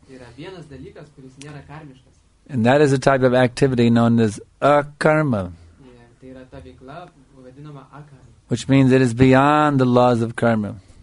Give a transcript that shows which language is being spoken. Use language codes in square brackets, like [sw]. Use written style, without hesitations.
[lt] Yra vienas dalykas, kuris nėra karmiškas. [en] And that is a type of activity known as akarma. [lt] Yeah, tai yra ta veikla, vadinama akarma. [en] Which means it is beyond the laws of karma.